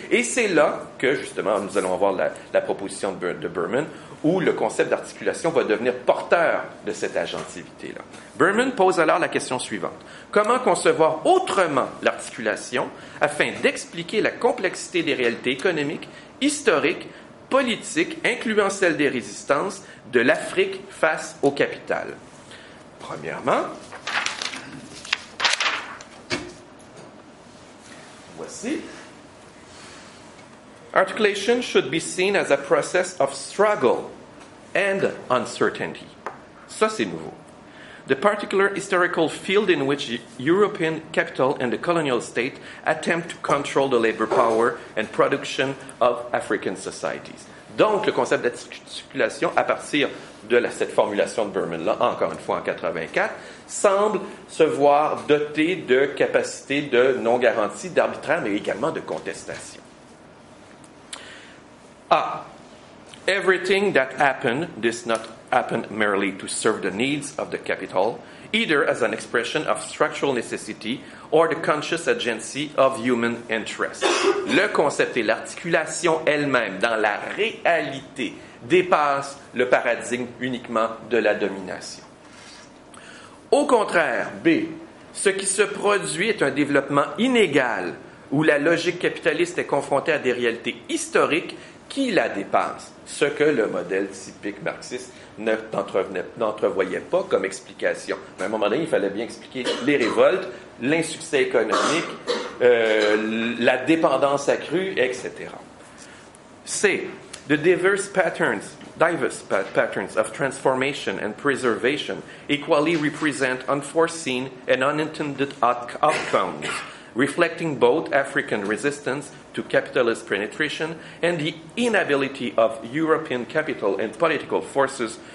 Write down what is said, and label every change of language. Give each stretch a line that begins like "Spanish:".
French: Et c'est là que, justement, nous allons avoir la proposition de Berman, où le concept d'articulation va devenir porteur de cette agentivité-là. Berman pose alors la question suivante. Comment concevoir autrement l'articulation afin d'expliquer la complexité des réalités économiques, historiques, politiques, incluant celle des résistances, de l'Afrique face au capital? Premièrement,
English: articulation should be seen as a process of struggle and uncertainty.
French: Ça, c'est nouveau.
English: The particular historical field in which European capital and the colonial state attempt to control the labor power and production of African societies.
French: Donc, le concept d'articulation, à partir de cette formulation de Berman-là, encore une fois en 84, semble se voir doté de capacités de non-garantie, d'arbitraire, mais également de contestation. A.
English: Everything that happened does not happen merely to serve the needs of the capital, either as an expression of structural necessity or the conscious agency of human interest.
French: Le concept et l'articulation elle-même dans la réalité dépassent le paradigme uniquement de la domination. Au contraire, B, ce qui se produit est un développement inégal où la logique capitaliste est confrontée à des réalités historiques qui la dépassent, ce que le modèle typique marxiste n'entrevoyait pas comme explication. Mais à un moment donné, il fallait bien expliquer les révoltes, l'insuccès économique, la dépendance accrue, etc. C.
English: The diverse patterns of transformation and preservation equally represent unforeseen and unintended outcomes, reflecting both African resistance to capitalist penetration and the inability of European capital and political forces